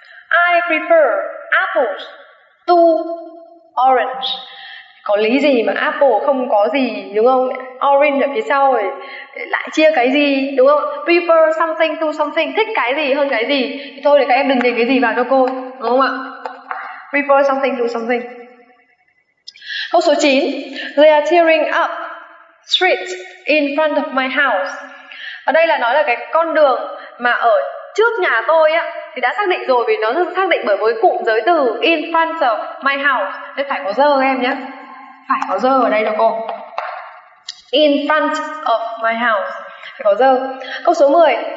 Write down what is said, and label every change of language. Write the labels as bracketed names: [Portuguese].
[English] I prefer apples to orange. [Vietnamese] Có lý gì mà apple không có gì, đúng không? Orange ở phía sau rồi lại chia cái gì, đúng không? [English] Prefer something to something, [Vietnamese] thích cái gì hơn cái gì thì thôi để các em đừng nhìn cái gì vào cho cô, đúng không ạ? [English] Prefer something to something. [Vietnamese] Câu số 9. [English] They are tearing up street in front of my house. [Vietnamese] Ở đây là nói là cái con đường mà ở trước nhà tôi á thì đã xác định rồi, vì nó xác định bởi với cụm giới từ [English] in front of my house [Vietnamese] nên phải có dơ em nhé. Phải có dơ ở đây cho cô. [English] In front of my house. [Vietnamese] Phải có dơ. Câu số 10.